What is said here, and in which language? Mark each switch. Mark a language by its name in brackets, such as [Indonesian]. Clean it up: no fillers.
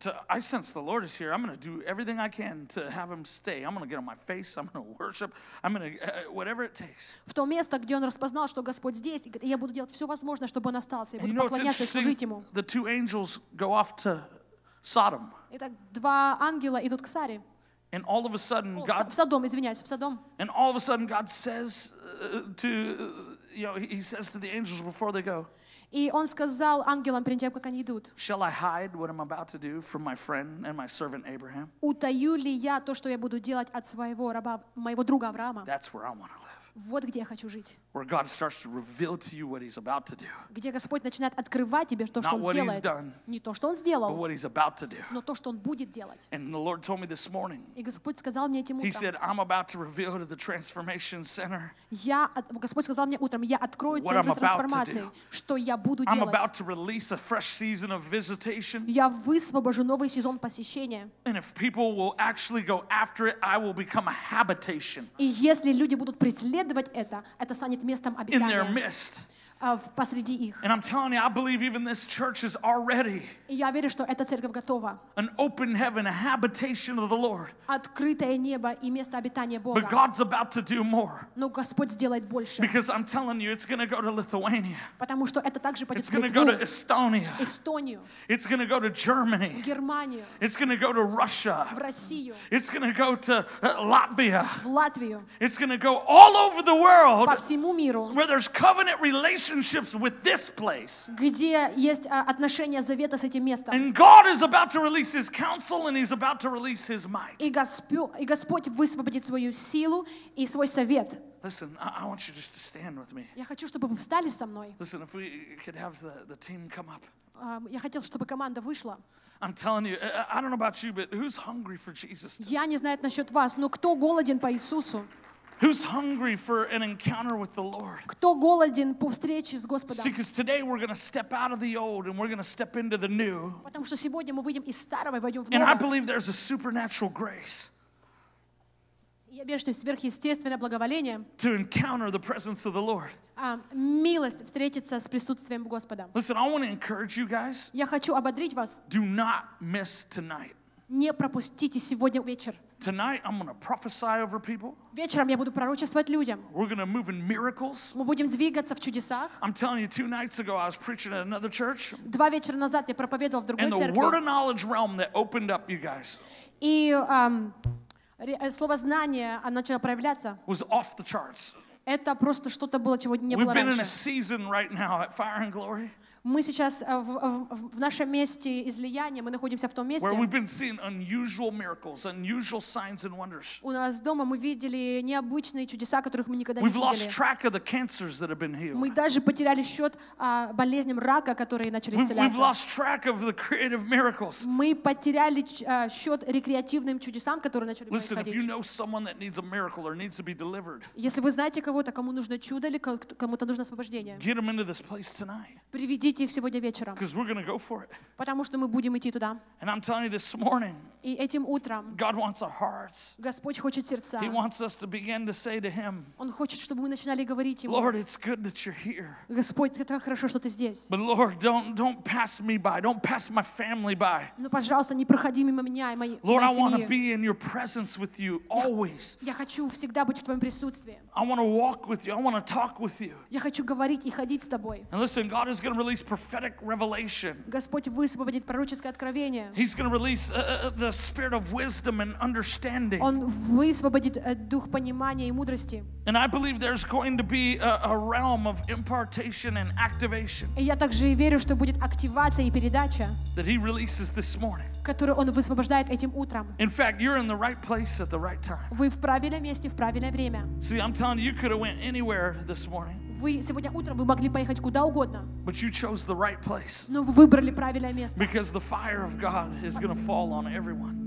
[English] I sense the Lord is here. I'm going to do everything I can to have him stay. I'm going to get on my face. I'm going to worship. I'm going to whatever it takes. [Russian] В то место, где он распознал, что Господь здесь, я буду делать все возможное, чтобы он остался. Я буду поклоняться и служить ему. [English] The two angels go off to Sodom. [Russian] Итак, два ангела идут к Саре. [English] And all of a sudden, God. [Russian] В Содом, извиняюсь, в Содом. [English] And all of a sudden, God says to, you know, he says to the angels before they go. [Russian] И он сказал ангелам перед тем, как они идут. [English] Shall I hide what I'm about to do from my friend and my servant Abraham? [Russian] Утаю ли я то, что я буду делать от своего раба, моего друга Авраама? [English] That's where I want to live. [Russian] Вот где я хочу жить. [English] Where God starts to reveal to you what he's about to do. [Russian] Где Господь начинает открывать тебе то, что он сделает. [English] Not what he's done. [Russian] Не то, что он сделал. [English] But what he's about to do. [Russian] Но то, что он будет делать. [English] And the Lord told me this morning. [Russian] И Господь сказал мне этим утром. [English] He said, I'm about to reveal to the transformation center. [Russian] Я, Господь сказал мне утром, я открою центр трансформации, что я буду делать. [English] I'm about to release a fresh season of visitation. [Russian] Я высвобожу новый сезон посещения. [English] And if people will actually go after it, I will become a habitation. [Russian] И если люди будут преследовать это станет [English] In their midst. And I'm telling you, I believe even this church is already an open heaven, a habitation of the Lord. But God's about to do more. Because I'm telling you, it's going to go to Lithuania. It's going to go to Estonia. It's going to go to Germany. It's going to go to Russia. It's going to go to Latvia. It's going to go all over the world where there's covenant relationships with this place. [Russian] Где есть отношения завета с этим местом. [English] And God is about to release his counsel and he's about to release his might. [Russian] И Господь высвободит свою силу и свой совет. [English] Listen, I want you just to stand with me. [Russian] Я хочу, чтобы вы встали со мной. [English] Listen, if we could have the team come up. [Russian] Я хотел, чтобы команда вышла. [English] I'm telling you, I don't know about you, but who's hungry for Jesus? [Russian] Я не знаю насчёт вас, но кто голоден по Иисусу? [English] Who's hungry for an encounter with the Lord? [Russian] Кто голоден по встрече с Господом? [English] See, because today we're going to step out of the old and we're going to step into the new. [Russian] Потому что сегодня мы выйдем из старого и войдем в новое. [English] And I believe there's a supernatural grace. [Russian] Я верю, что сверхъестественное благоволение. [English] To encounter the presence of the Lord. [Russian] Милость встретиться с присутствием Господа. [English] Listen, I want to encourage you guys. [Russian] Я хочу ободрить вас. [English] Do not miss tonight. [Russian] Не пропустите сегодня вечер. [English] Tonight I'm going to prophesy over people. [Russian] Вечером я буду пророчествовать людям. [English] We're going to move in miracles. [Russian] Мы будем двигаться в чудесах. [English] I'm telling you, two nights ago I was preaching at another church. [Russian] Два вечера назад я проповедовал в другой церкви. [English] And the word of knowledge realm that opened up, you guys. [Russian] И слово знание начало проявляться. [English] Was off the charts. [Russian] Это просто что-то было, чего не было раньше. [English] We've been in a season right now at Fire and Glory. [Russian] Мы сейчас в нашем месте излияния, мы находимся в том месте, [English] where we've been seeing unusual miracles, unusual signs and wonders. [Russian] У нас дома мы видели необычные чудеса, которых мы никогда не видели. [English] We've lost track of the cancers that have been healed. [Russian] Мы даже потеряли счет болезням рака, которые начали исцеляться. [English] We've lost track of the creative miracles. [Russian] Мы потеряли счет рекреативным чудесам, которые начали происходить. [English] Listen, if you know someone that needs a miracle or needs to be delivered, [Russian] если вы знаете кого-то, кому нужно чудо или кому-то нужно освобождение, [English] get them into this place tonight. [Russian] Ведите их сегодня вечером. [English] Because we're gonna go for it. [Russian] Потому что мы будем идти туда. [English] And I'm telling you, this morning, [Russian] и этим утром [English] God wants our hearts. [Russian] Господь хочет сердца. [English] He wants us to begin to say to him, [Russian] Он хочет, чтобы мы начинали говорить ему, [English] Lord, it's good that you're here. [Russian] Господь, это хорошо, что ты здесь. [English] But Lord, don't pass me by. Don't pass my family by. [Russian] Но, пожалуйста, не проходи мимо меня и моей семьи. [English] Lord, I want to be in your presence with you always. [Russian] Я хочу всегда быть в твоем присутствии. [English] I want to walk with you. I want to talk with you. [Russian] Я хочу говорить и ходить с тобой. [English] And listen, God is going to release prophetic revelation. [Russian] Господь высвободит пророческое откровение. [English] He's going to release the spirit of wisdom and understanding. [Russian] Он высвободит дух понимания и мудрости. [English] And I believe there's going to be a realm of impartation and activation. [Russian] И я также верю, что будет активация и передача. [English] That he releases this morning. [Russian] Которую он высвобождает этим утром. [English] In fact, you're in the right place at the right time. [Russian] Вы в правильном месте в правильное время. [English] See, I'm telling you, you could have went anywhere this morning. [Russian] Вы сегодня утром вы могли поехать куда угодно. [English] But you chose the right place. [Russian] Но вы выбрали правильное место. [English] Because the fire of God is going to fall on everyone.